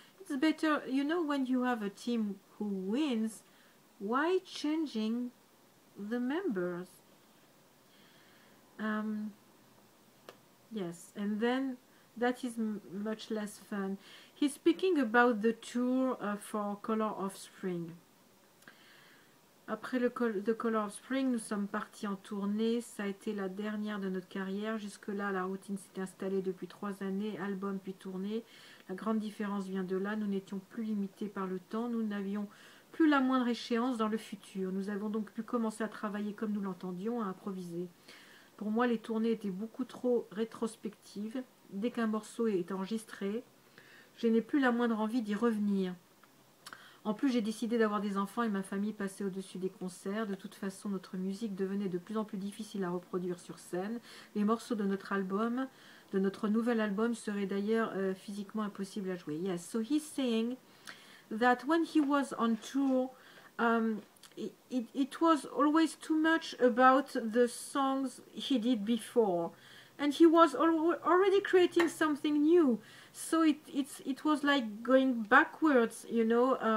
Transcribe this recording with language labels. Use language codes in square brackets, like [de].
[en] It's better, you know, when you have a team who wins, why changing the members? Yes, and then that is much less fun. He's speaking about the tour for Color of Spring. [fr] Après The Color of Spring, nous sommes partis en tournée. Ça a été la dernière de notre carrière. Jusque-là, la routine s'était installée depuis 3 années, album puis tournée. La grande différence vient de là. Nous n'étions plus limités par le temps. Nous n'avions plus la moindre échéance dans le futur. Nous avons donc pu commencer à travailler comme nous l'entendions, à improviser. Pour moi, les tournées étaient beaucoup trop rétrospectives. Dès qu'un morceau est enregistré, je n'ai plus la moindre envie d'y revenir. En plus, j'ai décidé d'avoir des enfants et ma famille passait au-dessus des concerts. De toute façon, notre musique devenait de plus en plus difficile à reproduire sur scène. Les morceaux de notre album, de notre nouvel album, seraient d'ailleurs physiquement impossibles à jouer. [en] Yes, so he's saying that when he was on tour, it was always too much about the songs he did before. And he was already creating something new. So it was like going backwards, you know.